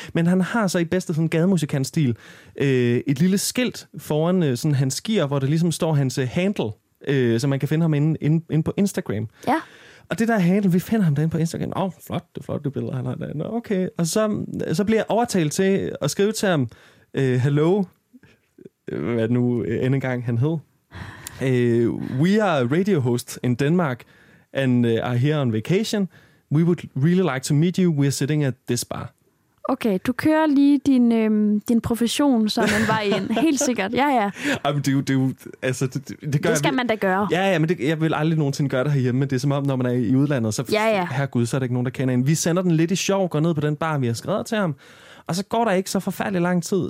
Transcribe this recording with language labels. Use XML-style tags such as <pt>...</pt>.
<da>Men han har så i bedste sådan gademusikantstil et lille skilt foran sådan hans gear, hvor der ligesom står hans handle, så man kan finde ham inde på Instagram. Ja. Og det der handle, vi finder ham derinde på Instagram. Åh, flot, det er flot, det billede, han har derinde. Okay. Og så bliver jeg overtalt til at skrive til ham, hello, hvad nu end engang han hed.</da> <en>We are radio hosts in Denmark and are here on vacation. We would really like to meet you. We are sitting at this bar.</en> <da>Okay, du kører lige din profession som en vej ind. Helt sikkert. Ja, ja. Jamen, det skal man da gøre. Ja, ja, men det, jeg vil aldrig nogensinde gøre det herhjemme. Det er som om, når man er i udlandet, så herregud, så er der ikke nogen, der kender en. Vi sender den lidt i sjov, går ned på den bar, vi har skrevet til ham. Og så går der ikke så forfærdelig lang tid.</da>